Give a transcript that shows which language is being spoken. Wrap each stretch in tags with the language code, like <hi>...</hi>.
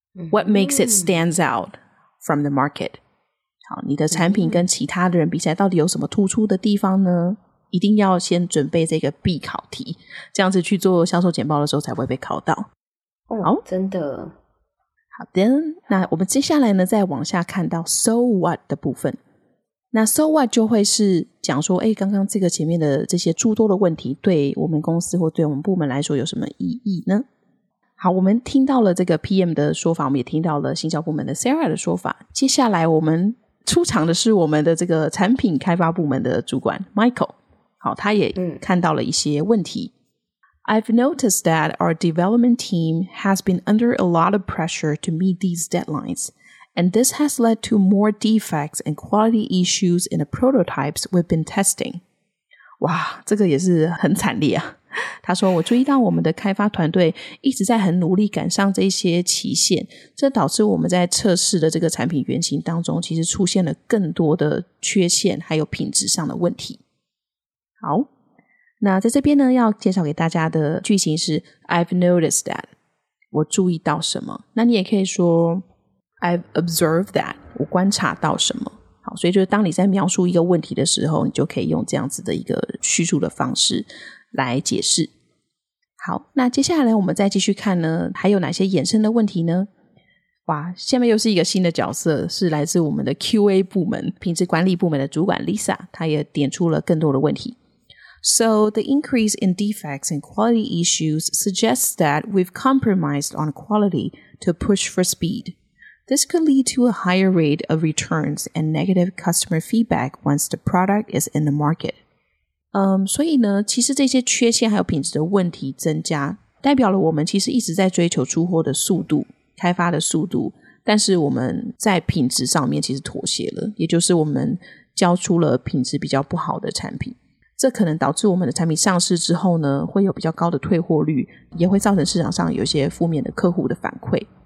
<en>What makes it stands out from the market?</en> <zh>好，你的产品跟其他的人比起来到底有什么突出的地方呢？一定要先准备这个必考题，这样子去做销售简报的时候才会被考到。好，哦，真的。好的，那我们接下来呢再往下看到 so what 的部分。那 so what 就会是讲说，欸，刚刚这个前面的这些诸多的问题对我们公司或对我们部门来说有什么意义呢？好，我们听到了这个 PM 的说法，我们也听到了行销部门的 Sarah 的说法，接下来我们出场的是我们的这个产品开发部门的主管 Michael。好，他也看到了一些问题。</zh> <en>I've noticed that our development team has been under a lot of pressure to meet these deadlines, and this has led to more defects and quality issues in the prototypes we've been testing.</en> <zh>哇，这个也是很惨烈啊。他说，我注意到我们的开发团队一直在很努力赶上这些期限，这导致我们在测试的这个产品原型当中其实出现了更多的缺陷还有品质上的问题。好，那在这边呢要介绍给大家的句型是</zh> <en>I've noticed that，</en> <zh>我注意到什么。那你也可以说</zh> <en>I've observed that，</en> <zh>我观察到什么。好，所以就是当你在描述一个问题的时候，你就可以用这样子的一个叙述的方式来解释。好，那接下来我们再继续看呢还有哪些衍生的问题呢？哇，下面又是一个新的角色，是来自我们的 QA 部门品质管理部门的主管 Lisa， 她也点出了更多的问题。</zh> <en>So the increase in defects and quality issues suggests that we've compromised on quality to push for speed. This could lead to a higher rate of returns and negative customer feedback once the product is in the market.</en> <zh>所以呢，其实这些缺陷还有品质的问题增加，代表了我们其实一直在追求出货的速度，开发的速度，但是我们在品质上面其实妥协了，也就是我们交出了品质比较不好的产品。这可能导致我们的产品上市之后呢会有比较高的退货率，也会造成市场上有一些负面的客户的反馈。</zh>